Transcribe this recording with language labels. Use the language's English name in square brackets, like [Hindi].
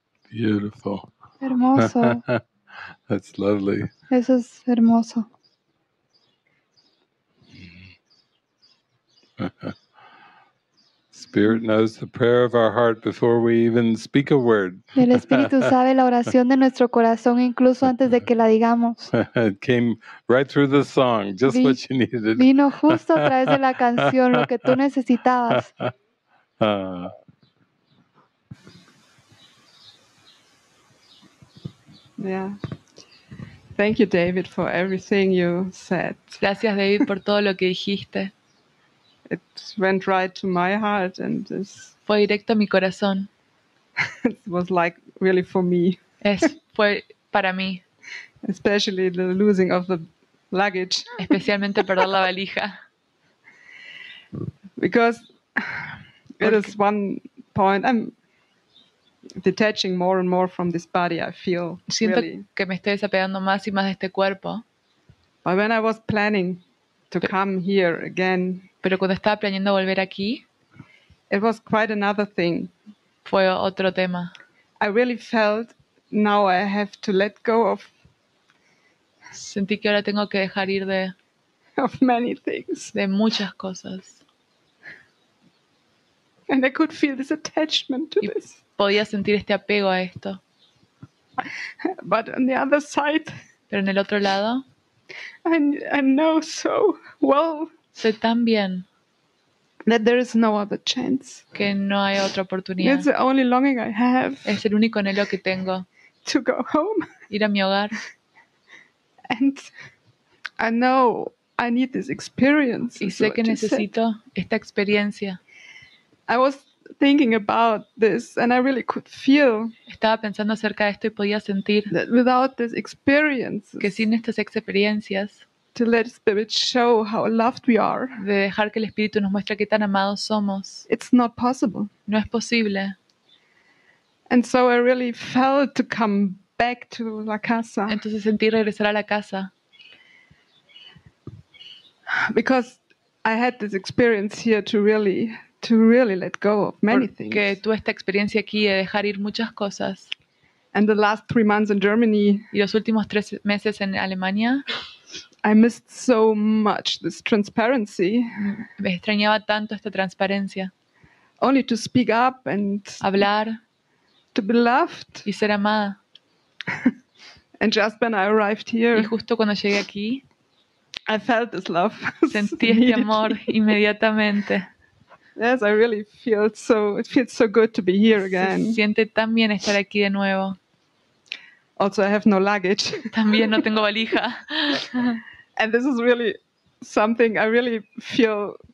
[English] Beautiful. [Spanish] Hermoso. [English] That's lovely. [Spanish] Eso es hermoso. [English] Spirit knows the prayer of our heart before we even speak a word. [Spanish] El Espíritu sabe la oración de nuestro corazón incluso antes de que la digamos. [English] It came right through the song, just what you needed. [Spanish] Vino justo a través de la canción lo que tú necesitabas. [English] Yeah. Thank you, David, for everything you said. [Spanish] Gracias, David, por todo lo que dijiste. [English] It went right to my heart and this [Spanish] fue directo a mi corazón. [English] It was like really for me. [Spanish] Fue para mí. [English] Especially the losing of the luggage. [Spanish] Especialmente perder la valija. [English] Because it is one point I'm detaching more and more from this body, I feel. [Spanish] Siento [English] really [Spanish] que me estoy desapegando más y más de este cuerpo. [English] But when I was planning to come here again, [Spanish] pero cuando estaba planeando volver aquí, [English] it was quite another thing. [Spanish] Fue otro tema. [English] I really felt now I have to let go of. [Spanish] Sentí que ahora tengo que dejar ir de. [English] Of many things. [Spanish] De muchas cosas. [English] And I could feel this attachment to this. [Spanish] Podía sentir este apego a esto. [English] But on the other side. [Spanish] Pero en el otro lado. [English] I know so well. [Spanish] Sé tan bien [English] that there is no other chance. [Spanish] Que no hay otra oportunidad. [English] It's the only longing I have. [Spanish] Es el único anhelo que tengo. [English] To go home. [Spanish] Ir a mi hogar. [English] And I know I need this experience. [Spanish] Y sé que necesito esta experiencia. [English] I was thinking about this and I really could feel. [Spanish] Estaba pensando acerca de esto y podía sentir. [English] That without this experience. [Spanish] Que sin estas experiencias. [English] To let spirit show how loved we are. [Spanish] De dejar que el Espíritu nos muestre qué tan amados somos. [English] It's not possible. [Spanish] No es posible. [English] And so I really felt to come back to la casa. [Spanish] Entonces sentí regresar a la casa. [English] Because I had this experience here to really let go of many things. [Spanish] Porque tuve esta experiencia aquí de dejar ir muchas cosas. [English] And the last 3 months in Germany. [Spanish] Y los últimos 3 meses en Alemania. [English] I missed so much this transparency. [Spanish] Me extrañaba tanto esta transparencia. [English] Only to speak up and [Spanish] hablar, [English] to be loved [Spanish] y ser amada. [English] And just when I arrived here, [Spanish] y justo cuando llegué aquí, [English] I felt this love. [Spanish] Sentí este amor inmediatamente. [English] Yes, I really feel so. It feels so good to be here again. [Spanish] Se siente tan bien estar aquí de nuevo. [English] Also, I have no luggage. [Spanish] También no tengo valija. [English] And this is really something I really feel.